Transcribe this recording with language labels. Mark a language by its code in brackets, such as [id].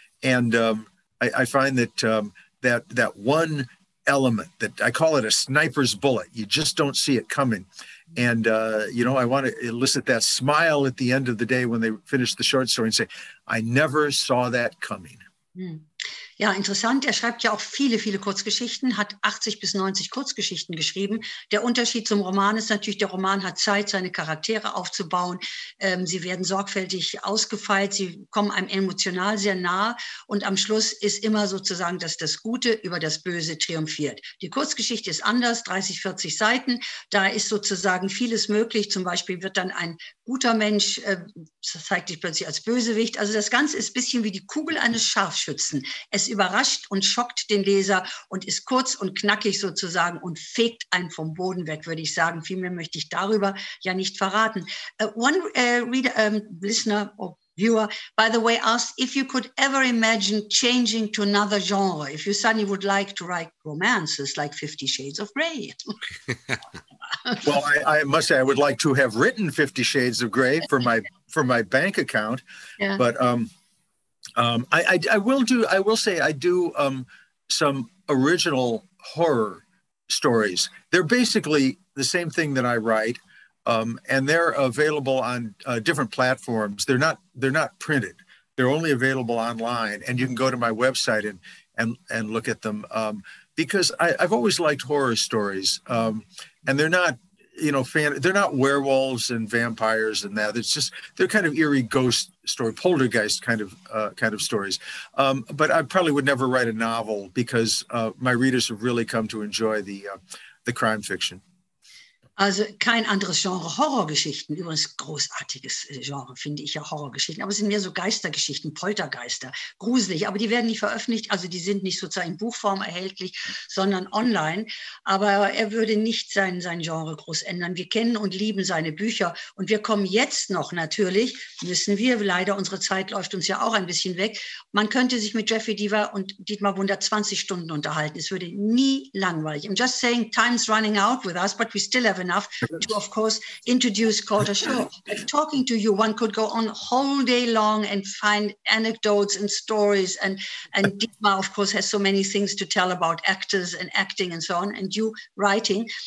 [en] And I find that that one element that I call it a sniper's bullet, you just don't see it coming. And, you know, I want to elicit that smile at the end of the day when they finish the short story and say, I never saw that coming. [de] Ja, interessant. Er schreibt ja auch viele, viele Kurzgeschichten, hat 80 bis 90 Kurzgeschichten geschrieben. Der Unterschied zum Roman ist natürlich, der Roman hat Zeit, seine Charaktere aufzubauen. Sie werden sorgfältig ausgefeilt, sie kommen einem emotional sehr nah, und am Schluss ist immer sozusagen, dass das Gute über das Böse triumphiert. Die Kurzgeschichte ist anders, 30, 40 Seiten. Da ist sozusagen vieles möglich. Zum Beispiel wird dann ein guter Mensch, zeigt sich plötzlich als Bösewicht. Also das Ganze ist ein bisschen wie die Kugel eines Scharfschützen. Es überrascht und schockt den Leser und ist kurz und knackig sozusagen und fegt einen vom Boden weg, würde ich sagen. Viel mehr möchte ich darüber ja nicht verraten. [en] Listener or viewer, by the way, asked if you could ever imagine changing to another genre, if you suddenly would like to write romances like 50 Shades of Grey. Well, I must say I would like to have written 50 Shades of Grey for my bank account, yeah. But I will say I do some original horror stories. They're basically the same thing that I write, and they're available on different platforms. They're not printed. They're only available online, and you can go to my website and look at them. Because I've always liked horror stories, and they're not, you know, they're not werewolves and vampires and that. It's just, they're kind of eerie ghost story, poltergeist kind of stories. But I probably would never write a novel because my readers have really come to enjoy the crime fiction. [de] Also kein anderes Genre. Horrorgeschichten, übrigens großartiges Genre, finde ich ja, Horrorgeschichten. Aber es sind mehr so Geistergeschichten, Poltergeister, gruselig. Aber die werden nicht veröffentlicht, also die sind nicht sozusagen in Buchform erhältlich, sondern online. Aber er würde nicht sein Genre groß ändern. Wir kennen und lieben seine Bücher. Und wir kommen jetzt noch, natürlich, müssen wir, leider unsere Zeit läuft uns ja auch ein bisschen weg. Man könnte sich mit Jeffery Deaver und Dietmar Wunder 20 Stunden unterhalten. Es würde nie langweilig. [en] I'm just saying, time's running out with us, but we still have enough to, of course, introduce Carter Shaw. Talking to you, one could go on whole day long and find anecdotes and stories. And Dietmar, of course, has so many things to tell about actors and acting and so on, and you writing.